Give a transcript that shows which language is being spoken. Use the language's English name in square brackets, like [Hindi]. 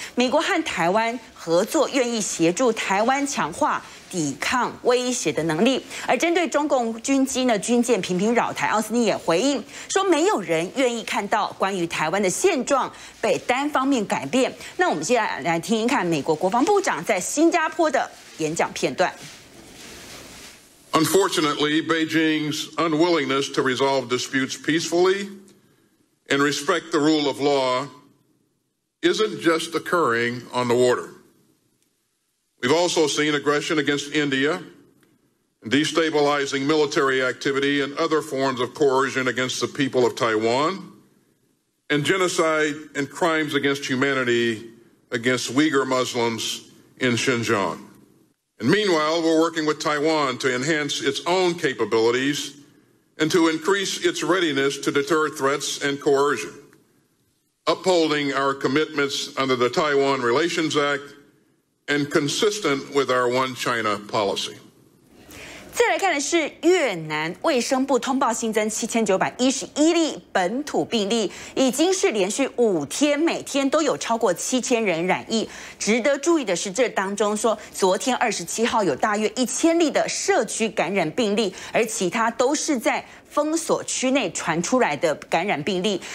[Chinese] 美国和台湾合作愿意协助台湾强化抵抗威胁的能力。而针对中共军机呢，军舰频频扰台，奥斯汀也回应说，没有人愿意看到关于台湾的现状被单方面改变。那我们接下来来听一看美国国防部长在新加坡的演讲片段。 [English] Unfortunately, Beijing's unwillingness to resolve disputes peacefully and respect the rule of law isn't just occurring on the water. We've also seen aggression against India, destabilizing military activity and other forms of coercion against the people of Taiwan, and genocide and crimes against humanity against Uyghur Muslims in Xinjiang. And meanwhile, we're working with Taiwan to enhance its own capabilities and to increase its readiness to deter threats and coercion, upholding our commitments under the Taiwan Relations Act,and consistent with our One China policy. [Chinese] 再来看的是越南卫生部通报新增7911例本土病例，已经是连续5天每天都有超过7000人染疫。值得注意的是，这当中说昨天27号有大约1000例的社区感染病例，而其他都是在封锁区内传出来的感染病例。